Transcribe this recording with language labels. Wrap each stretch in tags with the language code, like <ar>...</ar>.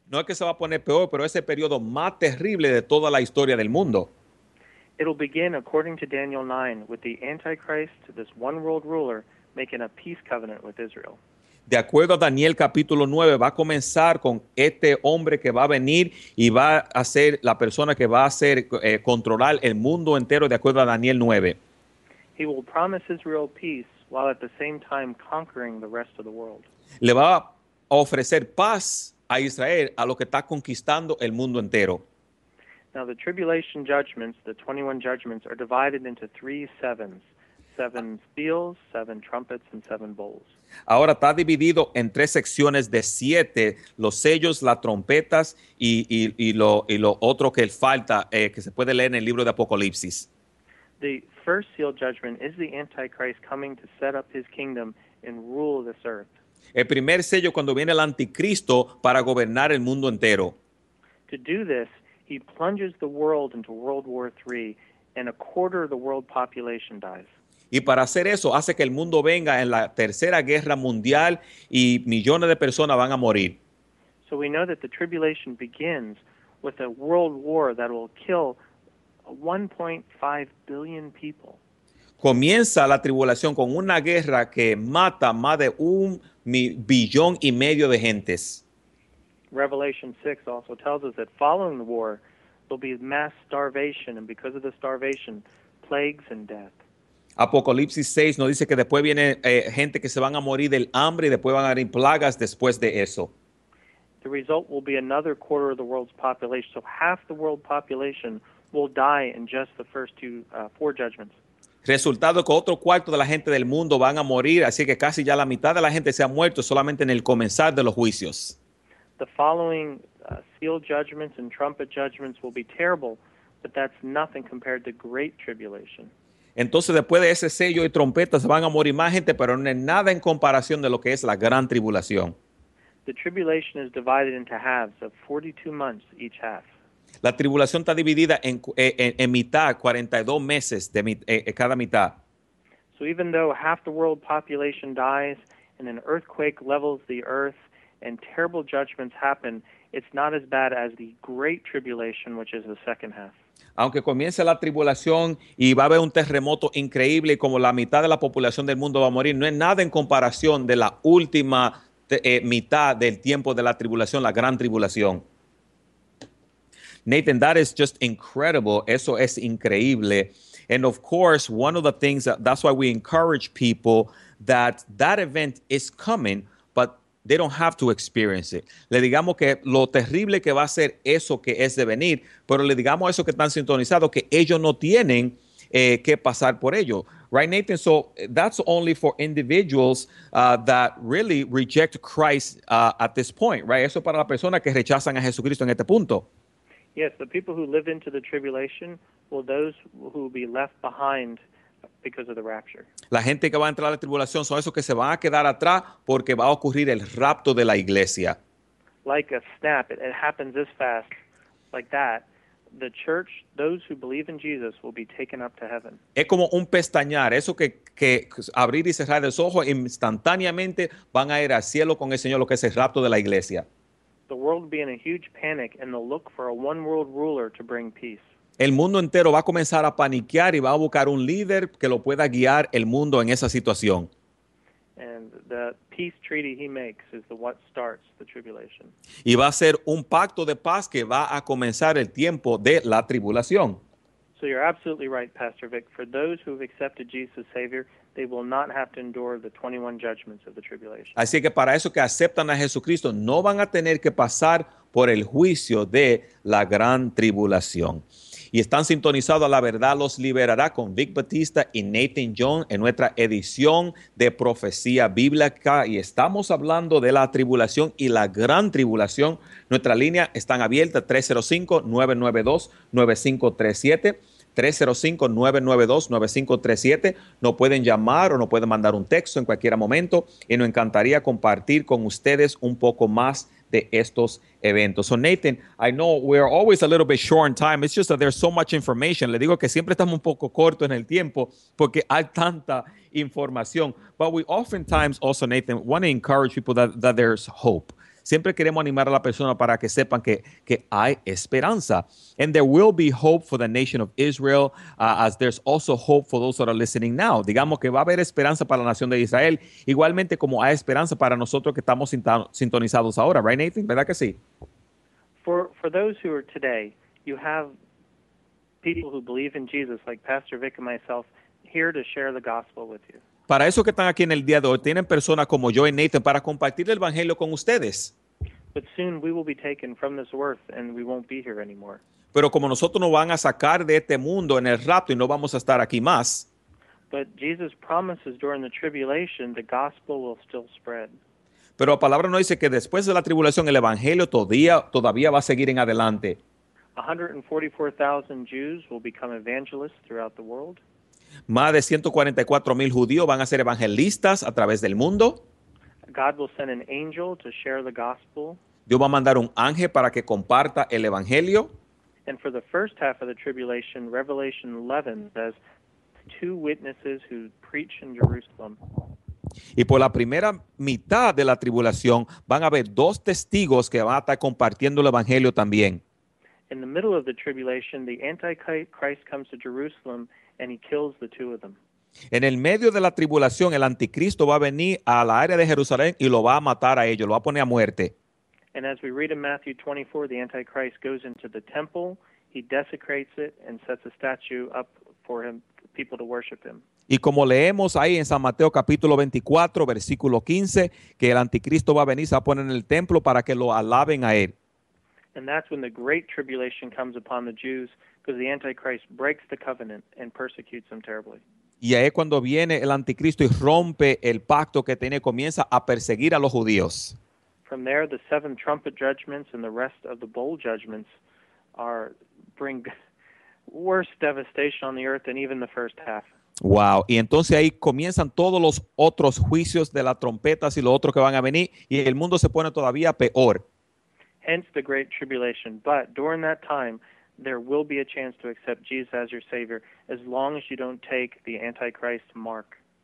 <es>No es que se va a poner peor, pero es el periodo más terrible de toda la historia del mundo.</es> <en>It'll begin, according to Daniel 9, with the Antichrist, this one-world ruler, making a peace covenant with Israel.</en> <es>De acuerdo a Daniel capítulo 9, va a comenzar con este hombre que va a venir y va a ser la persona que va a hacer controlar el mundo entero, de acuerdo a Daniel 9.</es> <en>He will promise Israel peace while at the same time conquering the rest of the world.</en> <es>Le va a ofrecer paz a Israel, a lo que está conquistando el mundo entero.</es> <en>Now the tribulation judgments, the 21 judgments, are divided into three sevens. Seven seals, seven trumpets, and seven bowls.</en> <es>Ahora está dividido en tres secciones de siete, los sellos, las trompetas, y lo otro que falta, que se puede leer en el libro de Apocalipsis.</es> <en>The first seal judgment is the Antichrist coming to set up his kingdom and rule this earth.</en> <es>El primer sello cuando viene el anticristo para gobernar el mundo entero.</es> <en>To do this, he plunges the world into World War III, and a quarter of the world population dies.</en> <es>Y para hacer eso, hace que el mundo venga en la Tercera Guerra Mundial y millones de personas van a morir.</es> <en>So we know that the tribulation begins with a world war that will kill 1.5 billion people.</en> <es>Comienza la tribulación con una guerra que mata más de un billón y medio de gentes.</es> <en>Revelation 6 also tells us that following the war, there'll be mass starvation, and because of the starvation, plagues and death.</en> <es>Apocalipsis 6 nos dice que después viene gente que se van a morir del hambre y después van a venir plagas después de eso.</es> <en>The result will be another quarter of the world's population. So half the world population will die in just the first four judgments.</en> <es>Resultado que otro cuarto de la gente del mundo van a morir, así que casi ya la mitad de la gente se ha muerto solamente en el comenzar de los juicios.</es> <en>The following seal judgments and trumpet judgments will be terrible, but that's nothing compared to great tribulation.</en> <es>Entonces, después de ese sello y trompetas, van a morir más gente, pero no es nada en comparación de lo que es la gran tribulación.</es> <en>The tribulation is divided into halves of 42 months each half.</en> <es>La tribulación está dividida en mitad, 42 meses de cada mitad.</es> <en>So even though half the world population dies and an earthquake levels the earth and terrible judgments happen, it's not as bad as the great tribulation, which is the second half.</en> <es>Aunque comience la tribulación y va a haber un terremoto increíble y como la mitad de la población del mundo va a morir, no es nada en comparación de la última mitad del tiempo de la tribulación, la gran tribulación.</es> <en>Nathan, that is just incredible.</en> <es>Eso es increíble.</es> <en>And of course, one of the things, that's why we encourage people that event is coming, but they don't have to experience it.</en> <es>Le digamos que lo terrible que va a ser eso que es de venir, pero le digamos a esos que están sintonizados que ellos no tienen que pasar por ello.</es> <en>Right, Nathan? So that's only for individuals that really reject Christ at this point, right?</en> <es>Eso para la persona que rechazan a Jesucristo en este punto.</es> <en>Yes, the people who live into the tribulation, well, those who will be left behind because of the rapture.</en> <es>La gente que va a entrar a la tribulación son esos que se van a quedar atrás porque va a ocurrir el rapto de la iglesia.</es> <en>Like a snap, it happens this fast, like that. The church, those who believe in Jesus, will be taken up to heaven.</en> <es>Es como un pestañear, eso que abrir y cerrar los ojos, instantáneamente van a ir al cielo con el Señor, lo que es el rapto de la iglesia.</es> <en>The world will be in a huge panic, and they'll look for a one-world ruler to bring peace.</en> <es>El mundo entero va a comenzar a paniquear y va a buscar un líder que lo pueda guiar el mundo en esa situación.</es> <en>And the peace treaty he makes is the what starts the tribulation.</en> <es>Y va a ser un pacto de paz que va a comenzar el tiempo de la tribulación.</es> <en>So you're absolutely right, Pastor Vic. For those who have accepted Jesus as Savior, they will not have to endure the 21 judgments of the tribulation.</en> <es>Así que para esos que aceptan a Jesucristo, no van a tener que pasar por el juicio de la gran tribulación. Y están sintonizados a La Verdad Los Liberará con Vic Batista y Nathan Young en nuestra edición de Profecía Bíblica. Y estamos hablando de la tribulación y la gran tribulación. Nuestra línea está abierta, 305-992-9537. 305-992-9537. Nos pueden llamar o nos pueden mandar un texto en cualquier momento. Y nos encantaría compartir con ustedes un poco más de estos eventos.</es> <en>So Nathan, I know we're always a little bit short on time. It's just that there's so much information.</en> <es>Le digo que siempre estamos un poco corto en el tiempo porque hay tanta información.</es> <en>But we oftentimes also, Nathan, want to encourage people that there's hope.</en> <es>Siempre queremos animar a la persona para que sepan que hay esperanza.</es> <en>And there will be hope for the nation of Israel, as there's also hope for those that are listening now.</en> <es>Digamos que va a haber esperanza para la nación de Israel, igualmente como hay esperanza para nosotros que estamos sintonizados ahora.</es> <en>Right, Nathan?</en> <es>¿Verdad que sí?</es> <en>For those who are today, you have people who believe in Jesus, like Pastor Vic and myself, here to share the gospel with you.</en> <es>Para eso que están aquí en el día de hoy, tienen personas como yo y Nathan para compartir el evangelio con ustedes.</es> <en>But soon we will be taken from this earth and we won't be here anymore.</en> <es>Pero como nosotros nos van a sacar de este mundo en el rapto y no vamos a estar aquí más.</es> <en>But Jesus promises during the tribulation the gospel will still spread.</en> <es>Pero la palabra nos dice que después de la tribulación el evangelio todavía va a seguir en adelante.</es> <en>144,000 Jews will become evangelists throughout the world.</en> <es>Más de 144,000 judíos van a ser evangelistas a través del mundo.</es> <en>God will send an angel to share the gospel.</en> <es>Dios va a mandar un ángel para que comparta el evangelio.</es> <en>And for the first half of the tribulation, Revelation 11 says, two witnesses who preach in Jerusalem.</en> <es>Y por la primera mitad de la tribulación, van a haber dos testigos que van a estar compartiendo el evangelio también.</es> <en>In the middle of the tribulation, the Antichrist comes to Jerusalem and he kills the two of them.</en> <es>En el medio de la tribulación, el anticristo va a venir a la área de Jerusalén y lo va a matar a ellos, lo va a poner a muerte.</es> <en>And as we read in Matthew 24, the Antichrist goes into the temple, he desecrates it and sets a statue up for him, people to worship him.</en> <es>Y como leemos ahí en San Mateo capítulo 24, versículo 15, que el anticristo va a venir, se va a poner en el templo para que lo alaben a él.</es> <en>And that's when the great tribulation comes upon the Jews, because the Antichrist breaks the covenant and persecutes them terribly.</en> <es>Y ahí cuando viene el anticristo y rompe el pacto que tiene, comienza a perseguir a los judíos.</es> <en>From there, the seven trumpet judgments and the rest of the bowl judgments bring worse devastation on the earth than even the first half. Wow.</en> <es>Y entonces ahí comienzan todos los otros juicios de las trompetas y los otros que van a venir, y el mundo se pone todavía peor.</es> <en>Hence the great tribulation. But during that time, there will be a chance to accept Jesus as your Savior, as long as you don't take the Antichrist mark.</en>